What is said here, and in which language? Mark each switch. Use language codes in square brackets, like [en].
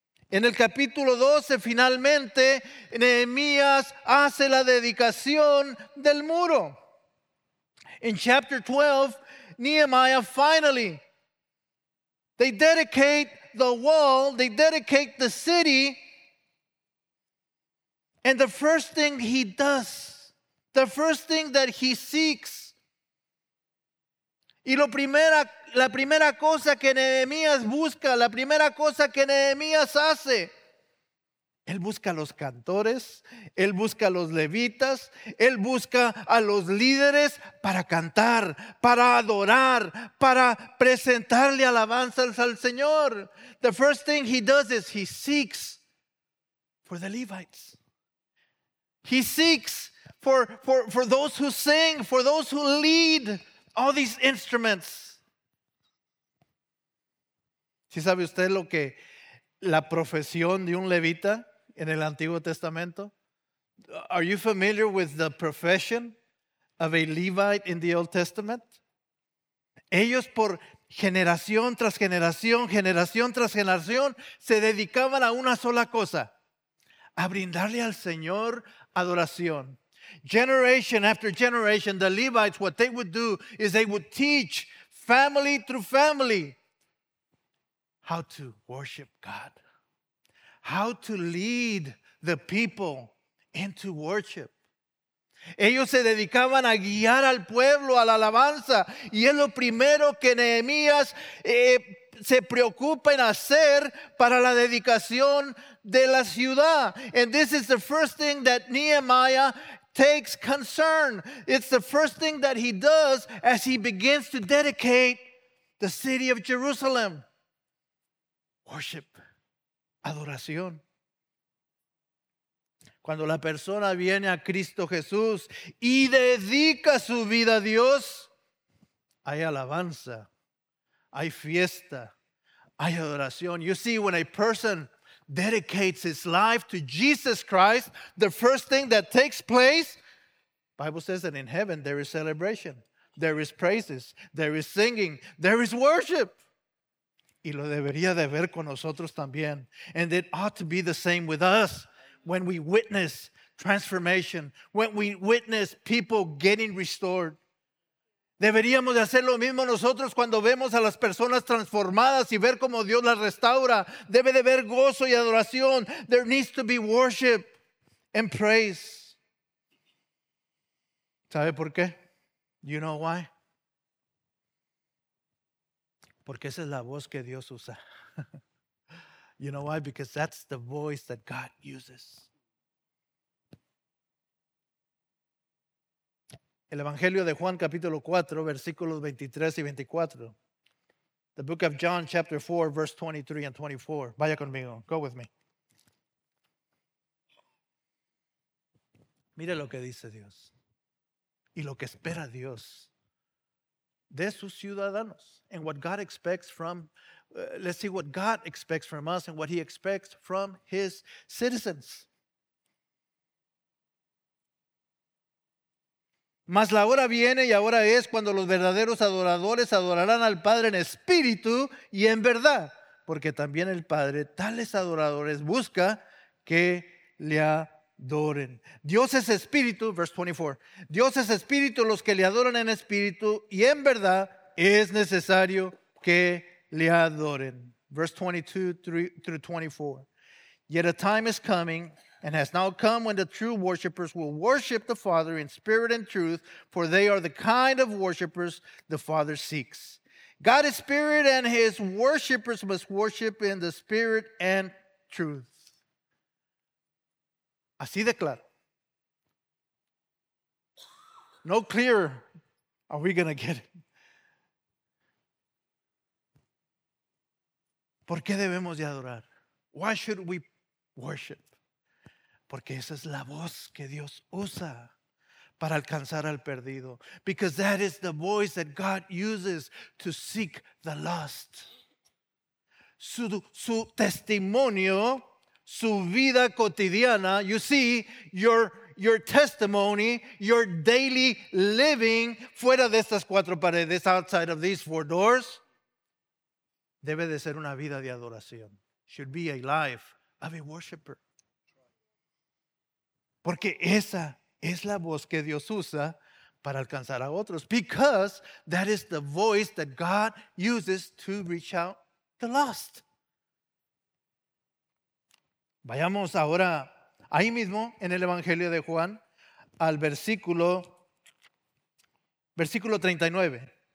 [es] En el capítulo 12, finalmente, Nehemías hace la dedicación del muro. [en] In chapter 12, Nehemiah finally, they dedicate the wall, they dedicate the city. And the first thing he does, the first thing that he seeks, [es] y la primera cosa que Nehemías busca, la primera cosa que Nehemías hace, él busca a los cantores, él busca a los levitas, él busca a los líderes para cantar, para adorar, para presentarle alabanzas al Señor. [en] The first thing he does is he seeks for the Levites. He seeks for those who sing, for those who lead all these instruments. [es] ¿Sí sabe usted lo que la profesión de un levita en el Antiguo Testamento? [en] Are you familiar with the profession of a Levite in the Old Testament? [es] Ellos por generación tras generación, generación tras generación, se dedicaban a una sola cosa, a brindarle al Señor adoración. [en] Generation after generation, the Levites, what they would do is they would teach family through family how to worship God, how to lead the people into worship. [es] Ellos se dedicaban a guiar al pueblo a la alabanza, y es lo primero que Nehemías se preocupa en hacer para la dedicación de la ciudad. [en] And this is the first thing that Nehemiah takes concern. It's the first thing that he does as he begins to dedicate the city of Jerusalem. Worship, adoración. [es] Cuando la persona viene a Cristo Jesús y dedica su vida a Dios, hay alabanza, hay fiesta, hay adoración. [en] You see, when a person dedicates his life to Jesus Christ, the first thing that takes place, Bible says that in heaven there is celebration, there is praises, there is singing, there is worship. [es] Y lo debería de ver con nosotros también. [en] And it ought to be the same with us when we witness transformation, when we witness people getting restored. [es] Deberíamos de hacer lo mismo nosotros cuando vemos a las personas transformadas y ver cómo Dios las restaura. Debe de haber gozo y adoración. [en] There needs to be worship and praise. [es] ¿Sabe por qué? [en] You know why? [es] Porque esa es la voz que Dios usa. [en] You know why? Because that's the voice that God uses. [es] El Evangelio de Juan, capítulo 4, versículos 23 y 24. [en] The book of John, chapter 4, verse 23 and 24. [es] Vaya conmigo. [en] Go with me. [es] Mire lo que dice Dios. Y lo que espera Dios de sus ciudadanos, [en] and what God expects from, let's see what God expects from us and what he expects from his citizens. [es] Mas la hora viene y ahora es cuando los verdaderos adoradores adorarán al Padre en espíritu y en verdad, porque también el Padre tales adoradores busca que le adoren. Dios es espíritu, [en] verse 24. [es] Dios es espíritu, los que le adoran en espíritu y en verdad es necesario que le adoren. [en] Verse 22-24. Yet a time is coming and has now come when the true worshipers will worship the Father in spirit and truth, for they are the kind of worshipers the Father seeks. God is spirit, and his worshipers must worship in the spirit and truth. [es] Así de claro. [en] No clearer are we going to get it. [es] ¿Por qué debemos de adorar? [en] Why should we worship? [es] Porque esa es la voz que Dios usa para alcanzar al perdido. [en] Because that is the voice that God uses to seek the lost. [es] Su testimonio, su vida cotidiana, [en] you see, your testimony, your daily living [es] fuera de estas cuatro paredes, [en] outside of these four doors, [es] debe de ser una vida de adoración. [en] Should be a life of a worshiper. [es] Porque esa es la voz que Dios usa para alcanzar a otros. [en] Because that is the voice that God uses to reach out the lost. [es] Vayamos ahora ahí mismo en el Evangelio de Juan al versículo 39.